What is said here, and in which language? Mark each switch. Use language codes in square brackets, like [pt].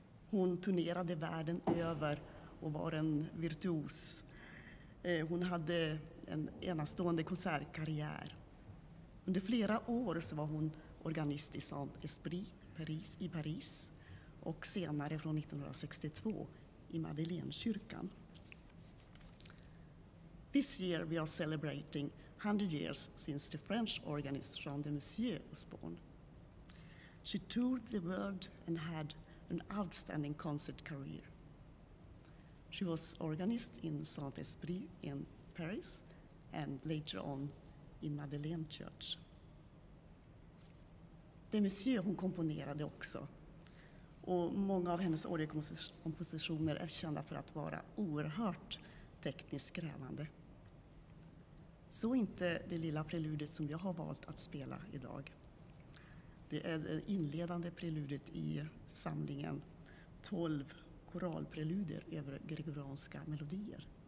[sv] Hon turnerade världen över och var en virtuos. Hon hade en enastående konsertkarriär. Under flera år så var hon organist i Saint-Esprit i Paris och senare från 1962 i Madeleinekyrkan. [en] This year we are celebrating 100 years since the French organist Jeanne Demessieux was born. She toured the world and had an outstanding concert career. She was organist in Saint-Esprit in Paris and later on in Madeleine Church. [sv] Demessieux, hon komponerade också. Och många av hennes orgelkompositioner är kända för att vara oerhört tekniskt krävande. Så inte det lilla preludet som jag har valt att spela idag. Det är det inledande preludet i samlingen 12 choralpreluder över gregorianska melodier.